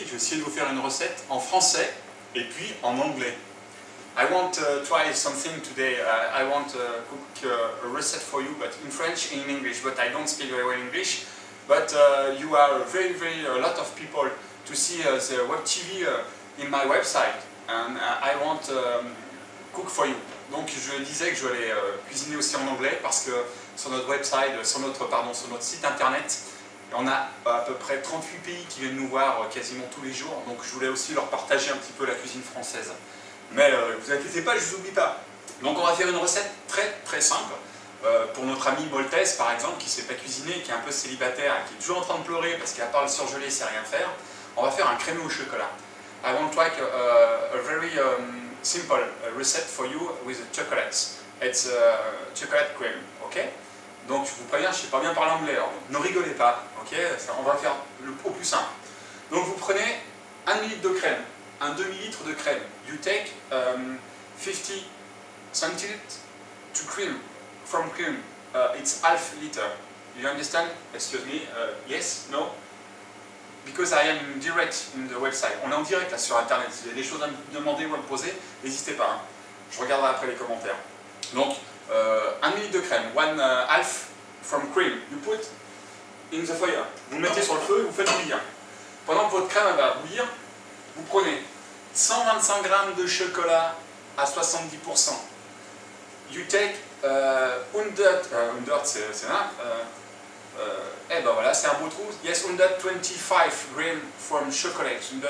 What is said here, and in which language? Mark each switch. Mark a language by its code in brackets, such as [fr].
[fr] Je vais essayer de vous faire une recette en français et puis en anglais. [en] I want to try something today. I want to cook a recipe for you, but in French and in English. But I don't speak very well English. But you are very, very a lot of people to see the web TV in my website. And I want to cook for you. [fr] Donc, je disais que je voulais cuisiner aussi en anglais parce que sur notre website, sur notre site internet, on a à peu près 38 pays qui viennent nous voir quasiment tous les jours. Donc, je voulais aussi leur partager un petit peu la cuisine française. Mais vous inquiétez pas, je vous oublie pas. Donc, on va faire une recette très, très simple pour notre ami Moltes, par exemple, qui ne sait pas cuisiner, qui est un peu célibataire et qui est toujours en train de pleurer parce qu'à part le surgelé, il ne sait rien faire. On va faire un crémeux au chocolat. [en] I want to like a very simple recipe for you with chocolates. It's a chocolate cream, ok? [fr] Donc je vous préviens, je ne sais pas bien parler anglais, alors ne rigolez pas, ok? Ça, on va faire le au plus simple. Donc vous prenez 1 ml de crème, un demi-litre de crème. [en] You take 50 centilitres to cream, from cream. It's half liter. You understand? Excuse me. Yes? No? Because I am direct in the website. [fr] On est en direct là, sur internet. Si vous avez des choses à me demander ou à me poser, n'hésitez pas. Hein. Je regarderai après les commentaires. Donc, 1 ml de crème, [en] one half from cream, you put in the fire. [fr] Vous mettez sur le feu et vous faites bouillir. Pendant que votre crème va bouillir, vous prenez 125 g de chocolat à 70%. [en] You take 125 grams from chocolate.